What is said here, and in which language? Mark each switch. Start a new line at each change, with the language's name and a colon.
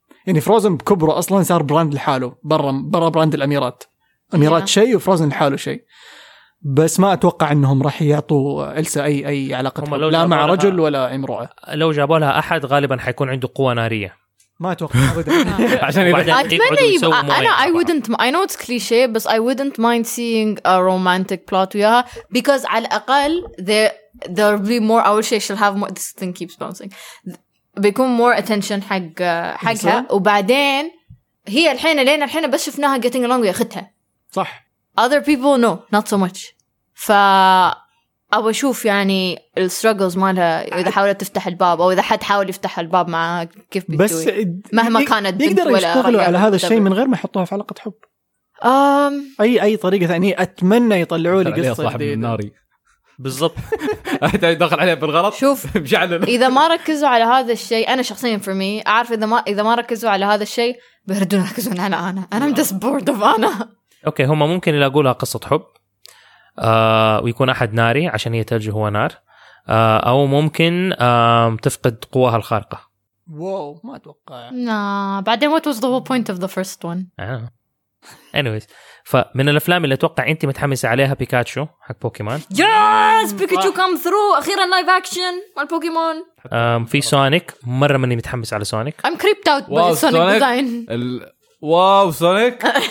Arabic: يعني فروزن بكبره أصلا صار براند لحاله برا براند الأميرات. أميرات yeah. شيء وفروزن لحاله شيء. بس ما أتوقع أنهم راح يعطوا إلسا أي علاقة حب, لا مع رجل ولا امرأة. لو جابوا لها أحد غالبا حيكون عنده قوة نارية. ما أتوقع عشان أتمنى. أنا
English: I know it's cliche but I wouldn't mind seeing a romantic plot
Arabic: وياها,
English: because
Arabic: على الأقل
English: there will be more.
Arabic: أول شيء
English: she'll have more, this thing keeps bouncing,
Arabic: بيكون
English: more attention
Arabic: حقها. وبعدين هي الحين لين الحين بس شفناها
English: getting along
Arabic: ويا أختها صح.
English: Other people no not so much.
Arabic: فأبغى أشوف يعني الستراجلز مالها إذا حاولت تفتح الباب أو إذا حد حاول يفتح الباب معها كيف بتسوي مهما كانت. يقدر يشتغلوا على هذا الشيء من غير ما يحطوها في علاقة حب. أي طريقة ثانية. أتمنى يطلعوا لي قصة جديدة بالضبط. داخل عليها بالغلط. شوف إذا ما ركزوا على هذا الشيء, أنا شخصيا
English: for me
Arabic: أعرف إذا ما ركزوا على هذا الشيء بيردون ركزون على أنا
English: I'm just bored of
Arabic: أنا. أوكي هما ممكن يلاقوا لها قصة حب ويكون أحد ناري عشان هي تلج هو نار. أو ممكن تفقد قواها الخارقة. واو ما أتوقع.
English: بعدين what was the whole point of the first one? Anyways,
Arabic: فمن الأفلام اللي أتوقع أنت متحمس عليها بيكاتشو حق بوكيمون.
English: Yes, Pikachu come through.
Arabic: أخيرا live action مال بوكيمون. في سونيك مرة مني متحمس على سونيك.
English: I'm creeped out by the Sonic design.
Arabic: واو سونيك.